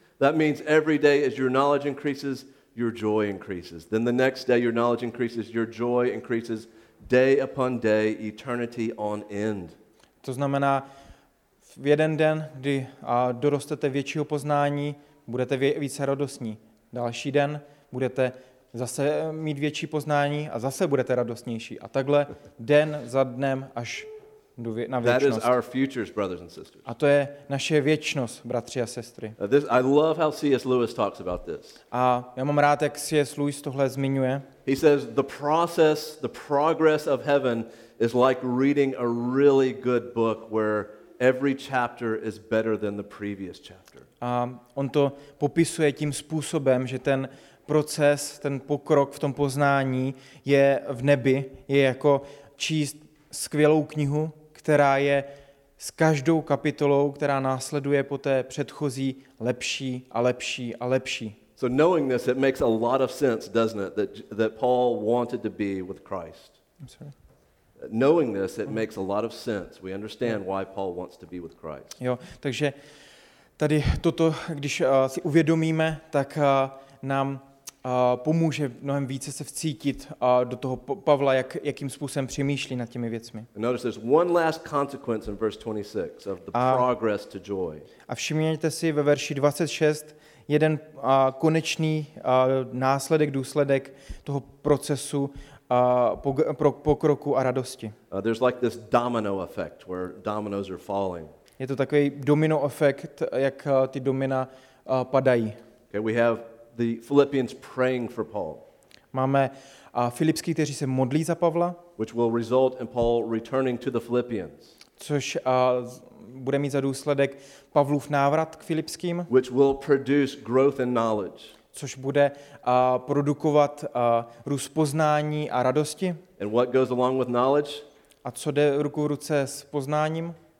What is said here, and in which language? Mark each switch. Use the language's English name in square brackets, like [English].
[English] That means every day as your knowledge increases, your joy increases. Then the next day your knowledge increases, your joy increases day upon day, eternity on end. [Czech] To znamená v jeden den, kdy dorostete většího poznání, budete více radostní. Další den budete zase mít větší poznání a zase budete radostnější. A takhle den za dnem až na věčnost. [English] That is our futures, brothers and sisters. [Czech] A to je naše věčnost, bratři a sestry. [English] I love how C.S. Lewis talks about this. [Czech] A já mám rád, jak C.S. Lewis tohle zmiňuje. [English] He says, the process, the progress of heaven is like reading a really good book where every chapter is better than the previous chapter. [Czech] A on to popisuje tím způsobem, že ten proces, ten pokrok v tom poznání je v nebi, je jako číst skvělou knihu, která je s každou kapitolou, která následuje po té předchozí, lepší a lepší a lepší. [English] So knowing this, it makes a lot of sense, doesn't it, that Paul wanted to be with Christ. I'm sorry. Knowing this, it makes a lot of sense. We understand why Paul wants to be with Christ. [Czech] Jo, takže tady toto, když si uvědomíme, tak nám pomůže mnohem více se vcítit do toho Pavla, jakým způsobem přemýšlí nad těmi věcmi. [English] Notice there's one last consequence in verse 26 of the progress to joy. [Czech] A všimněte si ve verši 26 jeden konečný následek, důsledek toho procesu pokroku a radosti. [English] There's like this domino effect where dominoes are falling. [Czech] Je to takový domino efekt, jak ty domina padají. [English] Okay, we have the Philippians praying for Paul. [Czech] Máme Filipský, kteří se modlí za Pavla. [English] Which will result in Paul returning to the Philippians. [Czech] což bude mít za důsledek Pavlův návrat k Filipským, [English] which will produce growth in knowledge. [Czech] Což bude produkovat růst poznání a radosti. [English] And what goes along with knowledge? [Czech] A co jde ruku v ruce s poznáním?